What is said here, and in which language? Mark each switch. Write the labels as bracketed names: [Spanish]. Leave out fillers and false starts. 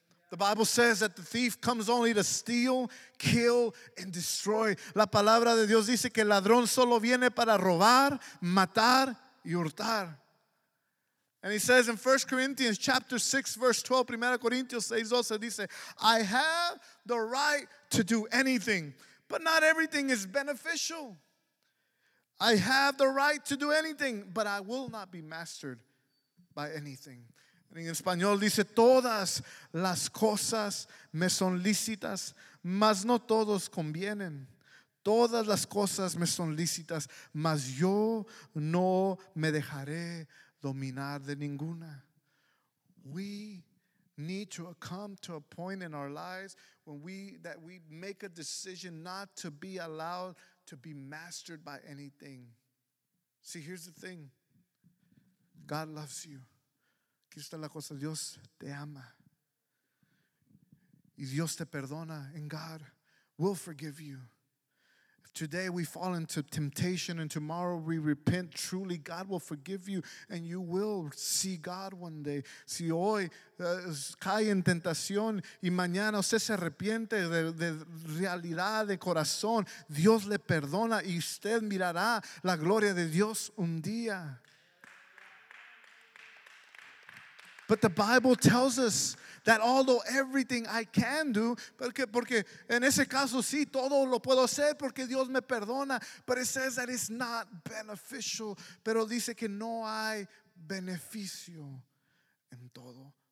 [English] The Bible says that the thief comes only to steal, kill, and destroy. [Spanish] La palabra de Dios dice que el ladrón solo viene para robar, matar y hurtar. [English] And he says in 1 Corinthians chapter 6, verse 12, 1 Corinthians 6, 12, [Spanish] dice, [English] I have the right to do anything, but not everything is beneficial. I have the right to do anything, but I will not be mastered by anything. [Spanish] And en español dice, todas las cosas me son lícitas, mas no todos convienen. Todas las cosas me son lícitas, mas yo no me dejaré dominar de ninguna. [English] We need to come to a point in our lives when we make a decision not to be allowed to be mastered by anything. See, here's the thing. God loves you. [Spanish] Aquí está la cosa. Dios te ama. Y Dios te perdona. [English] And God will forgive you. Today we fall into temptation and tomorrow we repent. Truly, God will forgive you and you will see God one day. [Spanish] Si hoy cae en tentación y mañana usted se arrepiente de realidad, de corazón, Dios le perdona y usted mirará la gloria de Dios un día. [English] But the Bible tells us that although everything I can do, [Spanish] porque en ese caso sí, todo lo puedo hacer porque Dios me perdona, [English] but it says that it's not beneficial, [Spanish] pero dice que no hay beneficio en todo.